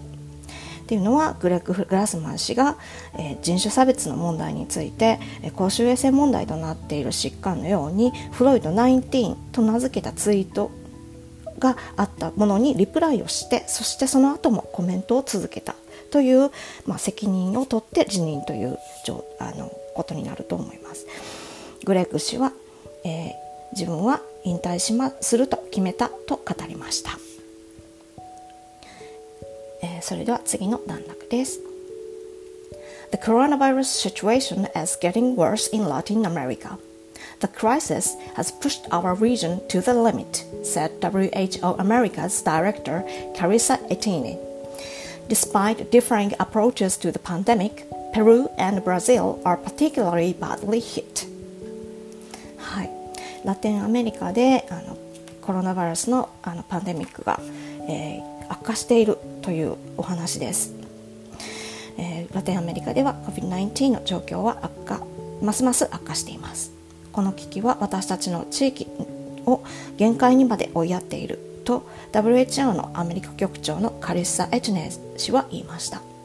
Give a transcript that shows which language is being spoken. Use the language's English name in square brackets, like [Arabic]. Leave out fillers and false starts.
[Japanese] っていうのはグレッグ・グラスマン氏が、人種差別の問題について、公衆衛生問題となっている疾患のようにフロイド19と名付けたツイートがあったものにリプライをして、そしてその後もコメントを続けたという、責任を取って辞任ということになると思います。グレッグ氏は、自分は引退すると決めたと語りました。それでは次の段落です。 [English] The coronavirus situation is getting worse in Latin America. The crisis has pushed our region to the limit, said WHO America's director Carissa Etienne. Despite differing approaches to the pandemic, Peru and Brazil are particularly badly hit. [Japanese] はい、ラテンアメリカでコロナウイルスの、パンデミックが、悪化しているというお話です。ラテンアメリカでは COVID-19 の状況は悪化、ますます悪化しています。この危機は私たちの地域を限界にまで追いやっていると WHO のアメリカ局長のカリッサ・エチネ氏は言いました。